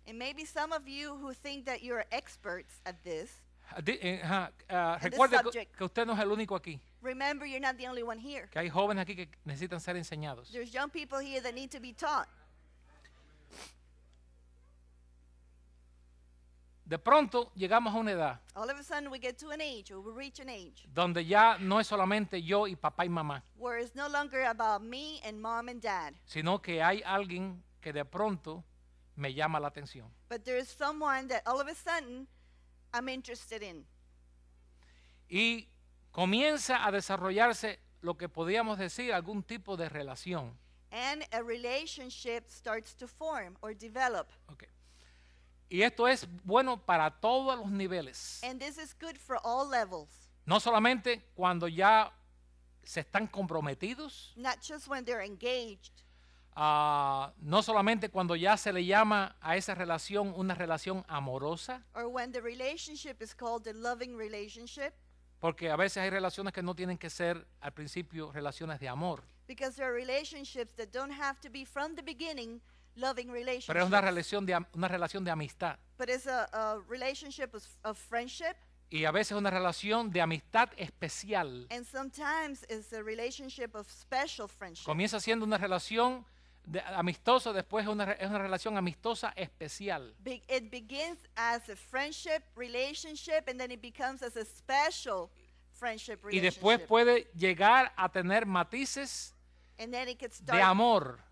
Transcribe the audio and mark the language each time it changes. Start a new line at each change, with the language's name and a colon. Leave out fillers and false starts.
English: And maybe some of you who think that you are experts at this.
Spanish: Recuerde que usted no es el único aquí.
English: Remember, you're not the only one here.
Spanish: Que hay jóvenes aquí que necesitan ser enseñados.
English: There's young people here that need to be taught.
Spanish: De pronto llegamos a una edad.
English: All of a sudden we get to an age, or we reach an age.
Spanish: Donde ya no es solamente yo y papá y mamá.
English: Where it's no longer about me and mom and dad.
Spanish: Sino que hay alguien que de pronto me llama la atención.
English: But there is someone that all of a sudden I'm interested in.
Spanish: Y comienza a desarrollarse lo que podríamos decir algún tipo de relación.
English: And a relationship starts to form or develop. Okay.
Spanish: Y esto es bueno para todos los niveles.
English: And this is good for all levels.
Spanish: No solamente cuando ya se están comprometidos.
English: Not just when they're engaged.
Spanish: No solamente cuando ya se le llama a esa relación una relación amorosa.
English: Or when the relationship is called a loving relationship.
Spanish: Porque a veces hay relaciones que no tienen que ser al principio relaciones de amor.
English: Because there are relationships that don't have to be from the beginning loving relationships.
Spanish: Pero es una relación de amistad.
English: But it's a relationship of friendship.
Spanish: Y a veces una relación de amistad especial.
English: And sometimes it's a relationship of special friendship.
Spanish: Comienza siendo una relación de amistosa, después es una relación amistosa especial.
English: It begins as a friendship relationship and then it becomes as a special friendship relationship.
Spanish: Y después puede llegar a tener matices de amor.